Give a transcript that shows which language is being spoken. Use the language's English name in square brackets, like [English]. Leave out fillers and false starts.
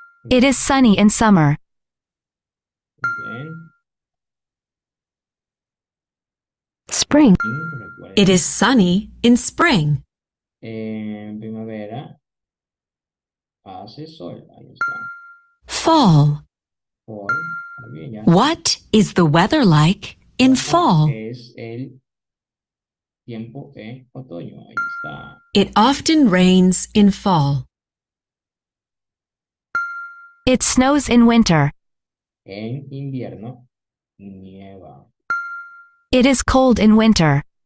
[English] It is sunny in summer. [Spanish] Bien. [English] Spring. Spring, It is [Spanish] recuerden. [English] sunny in spring. [Spanish] En primavera hace sol, ahí está. [English] Fall. [Spanish] Fall, muy bien, ya. [English] What is the weather like in Fall fall? [Spanish] es el tiempo en otoño, ahí está. [English] It often rains in fall. It snows in winter. [Spanish] En invierno, nieva. [English] It is cold in winter.